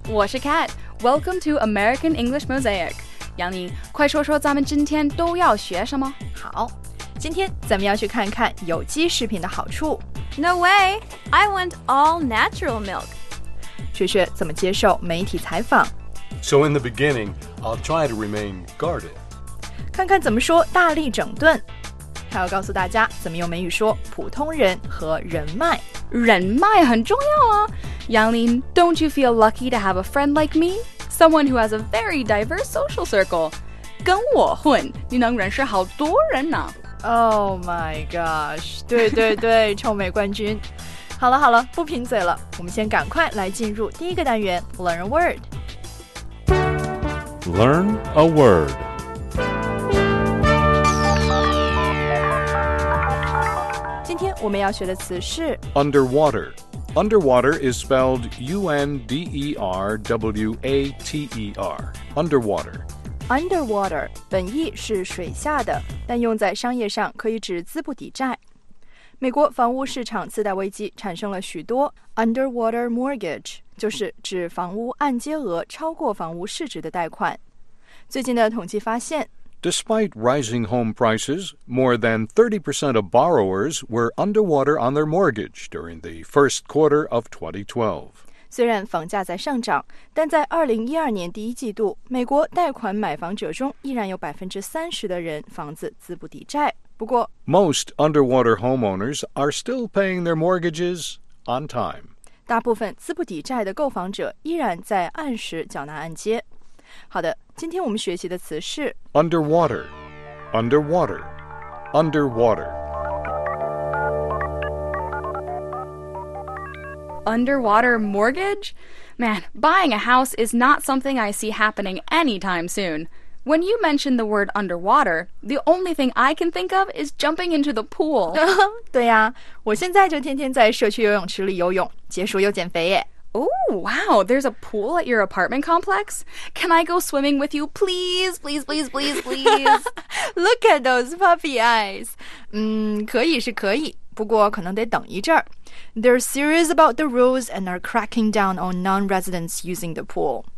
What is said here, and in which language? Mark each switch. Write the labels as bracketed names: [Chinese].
[Chinese] 我是 [English] Kat。Welcome to American English Mosaic。 [Chinese] 杨林，快说说咱们今天都要学什么？好，今天咱们要去看看有机食品的好处。 [English] No way! I want all natural milk. [Chinese] 雪雪怎么接受媒体采访？ [English] So in the beginning, I'll try to remain guarded. [Chinese] 看看怎么说大力整顿。他要告诉大家怎么用美语说普通人和人脉。人脉很重要啊。 [English] Yanglin, don't you feel lucky to have a friend like me? Someone who has a very diverse social circle. [Chinese] 跟我混，你能认识好多人呢。 [English] Oh my gosh, [Chinese] 对对对，臭美冠军。好了好了，不贫嘴了，我们先赶快来进入第一个单元 Learn a Word。 [English] Learn a word. [Chinese] 今天我们要学的词是 [English] underwater. Underwater is spelled U-N-D-E-R-W-A-T-E-R. Underwater. [Chinese] Underwater 本意是水下的，但用在商业上可以指资不抵债。美国房屋市场次贷危机产生了许多 underwater mortgage， 就是指房屋按揭额超过房屋市值的贷款。最近的统计发现 [English] Despite rising home prices, more than 30% of borrowers were underwater on their mortgage during the first quarter of 2012. [Chinese] 虽然房价在上涨，但在2012年第一季度，美国贷款买房者中依然有 30% 的人房子资不抵债。不过 [English] Most underwater homeowners are still paying their mortgages on time. [Chinese] 大部分资不抵债的购房者依然在按时缴纳按揭。好的，今天我们学习的词是 [English] underwater, underwater, underwater. Underwater mortgage? Man, buying a house is not something I see happening anytime soon. When you mention the word underwater, the only thing I can think of is jumping into the pool. [Chinese] 对呀，我现在就天天在社区游泳池里游泳，解暑又减肥耶。 [English] Oh, wow, there's a pool at your apartment complex? Can I go swimming with you, please, please, please, please, please? Look at those puppy eyes. [Chinese] 可以是可以，不过可能得等一阵儿。 [English] They're serious about the rules and are cracking down on non-residents using the pool.